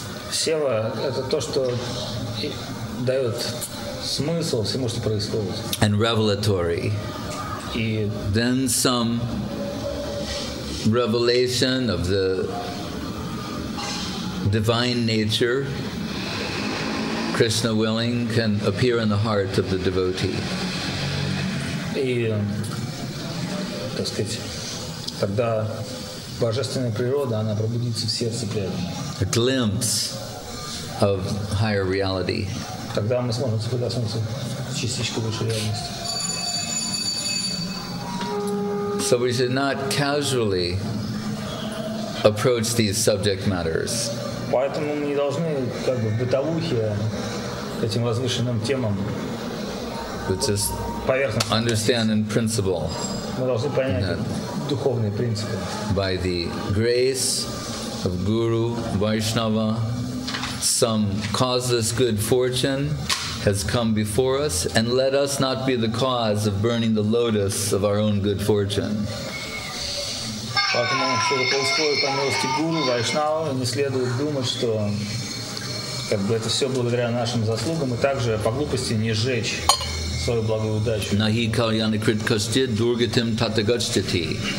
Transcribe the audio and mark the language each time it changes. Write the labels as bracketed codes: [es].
[ru] Seva это то, что дает смысл всему, что происходит. [en] And revelatory. [ru] И [en] then some revelation of the divine nature, Krishna willing, can appear in the heart of the devotee. [ru] И, так сказать, тогда божественная природа, она пробудится в сердце преданного. [en] A glimpse of higher reality. [ru] Тогда мы сможем соприкоснуться с частичкой высшей реальности. [en] So we should not casually approach these subject matters. [ru] Поэтому мы не должны как бы в бытовухе этим возвышенным темам. [en] But just understand in principle. [ru] Мы должны понять духовные принципы. [en] By the grace of Guru Vaishnava, some causeless good fortune has come before us, and let us not be the cause of burning the lotus of our own good fortune. [ru] Поэтому что-то происходит по милости Гуру Вайшнава, и не следует думать, что как бы это все благодаря нашим заслугам, и также по глупости не сжечь свою благую удачу. Нахи кальяны крит кастит дургатим татагачтити.